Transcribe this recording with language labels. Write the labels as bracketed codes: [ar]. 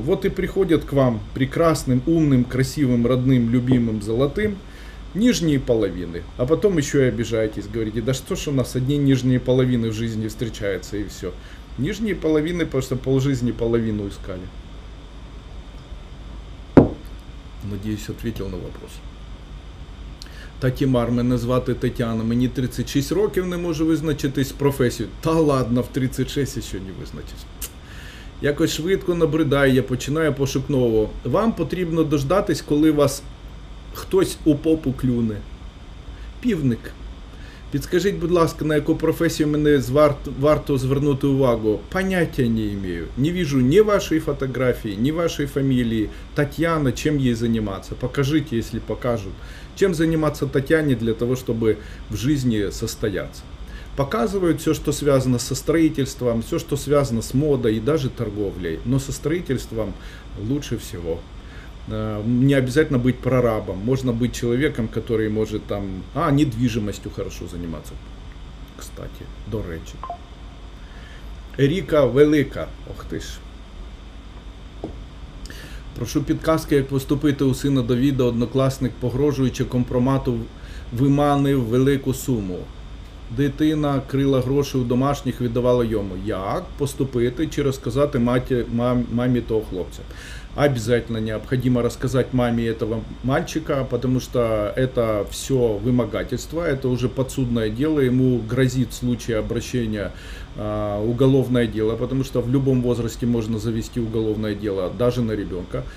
[ru] Вот и приходят к вам прекрасным, умным, красивым, родным, любимым, золотым, нижние половины. А потом еще и обижаетесь, говорите: да что ж у нас одни нижние половины в жизни встречаются, и все. Нижние половины, потому что полжизни половину искали. Надеюсь, ответил на вопрос. [uk] Татімар, мене звати Тетяна, мені 36 років, не можу визначитись професію. Та ладно, в 36 ще не визначусь. Якось швидко набридає, я починаю пошук нового. Вам потрібно дождатись, коли вас хтось у попу клюне. Півник. Підскажіть, будь ласка, на яку професію мені варто звернути увагу? Поняття не маю. Не вижу ні вашої фотографії, ні вашої фамілії. Тетяна, чим їй займатися? Покажіть, якщо покажуть. [ru] Чем заниматься Татьяне для того, чтобы в жизни состояться? показывают все, что связано со строительством, все, что связано с модой и даже торговлей. Но со строительством лучше всего. Не обязательно быть прорабом. Можно быть человеком, который может там... А, недвижимостью хорошо заниматься. [uk] Кстати, до речи. Ріка велика. Ох ти ж. Прошу підказки, як поступити у сина Давіда, однокласник, погрожуючи компромату, виманив велику суму. Дитина крила гроші у домашніх, віддавала йому. Як поступити чи розказати мамі того хлопця? [ru] Обязательно необходимо рассказать маме этого мальчика, потому что это все вымогательство, это уже подсудное дело, ему грозит в случае обращения уголовное дело, потому что в любом возрасте можно завести уголовное дело, даже на ребенка.